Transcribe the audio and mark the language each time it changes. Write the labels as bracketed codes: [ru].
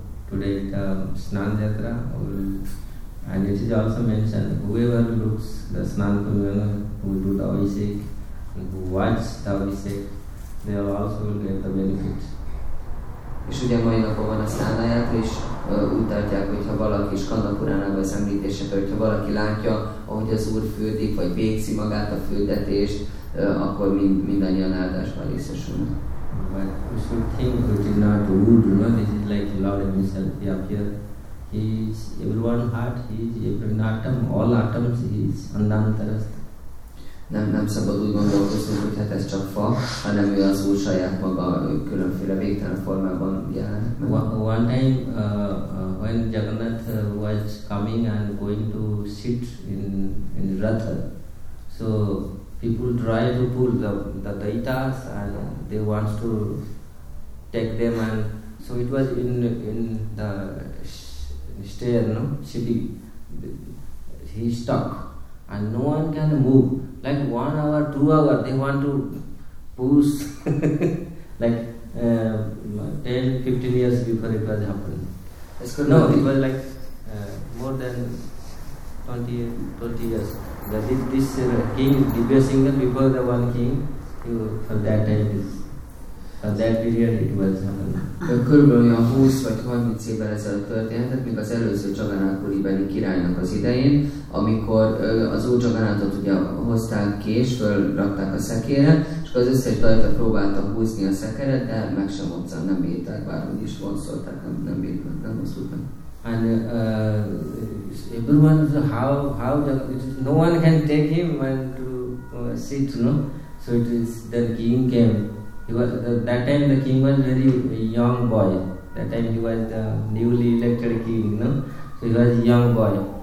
[en] today the Snan Yatra, and it is also mentioned whoever looks the Snan Kumbhana, who do the Abhishek, who watch the Abhishek, they also will get the benefits. [hu] És ugye mai napon van a szállaját, és úgy tartják, hogyha valaki is kandapuránában az említéseket, hogyha valaki látja, ahogy az Úr fürdik, vagy végzi magát a fürdetést, akkor mindannyian áldásban részesülnek. [en] But we should think it is not wood, no? This is like Lord himself, he appear. He is everyone heart, he is every atom, all atoms, he is andantarast. [hu] Nem szabad úgy gondolkozni, hogy hát ez csak fa, hanem ő az Úr saját maga különféle végtelen formában jelenik meg. [en] One time when Jagannath was coming and going to sit in Rath, so people try to pull the daitas and they want to take them, and so it was in the stair, no? Shibi. He stuck and no one can move. Like 1 hour, 2 hours, they want to push. Like 10, 15 years before it was happening. No, it was like more than 20 years. That is this king, Divya Singha, before the one king, for that time, for that period it was happening. [hu] Körülbelül olyan 20 vagy 30 évvel ezelőtt történhetett, még az előző Jagannath Puribeni királynak az idején, amikor az Úr Jagannathot ugye hozták ki és fölrakták a szekére, és az összes dajta próbálta húzni a szekeret, de meg sem mozzan, nem bírták, bárhogy is vonszolták, nem bírták, nem mozdultak. [en] And everyone, how no one can take him when to sit, no? So it is, the king came. He was, that time the king was very young boy. That time he was the newly elected king, no? So he was a young boy.